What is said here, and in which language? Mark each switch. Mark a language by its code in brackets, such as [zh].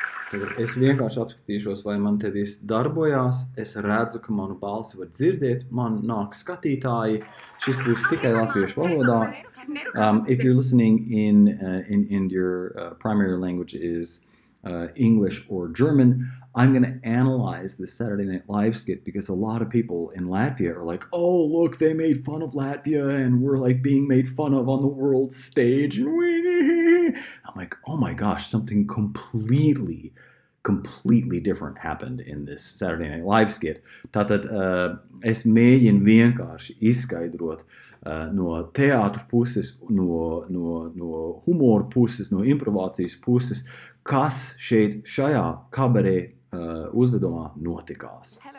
[lv] Tad es vienkārši apskatīšos, vai man te viss darbojās. Es redzu, ka manu balsi var dzirdēt, man nāk skatītāji. Šis būs tikai latviešu valodā. [en] If you're listening in your primary language is English or German, I'm going to analyze the Saturday Night Live skit because a lot of people in Latvia are like, oh, look, they made fun of Latvia and we're like being made fun of on the world stage. I'm like, oh my gosh, something completely, completely different happened in this Saturday Night Live skit. [lv] Tātad, es mēģinu vienkārši izskaidrot no teātru puses, no humoru puses, no improvācijas puses, kas šeit šajā kabarē uzvedumā notikās.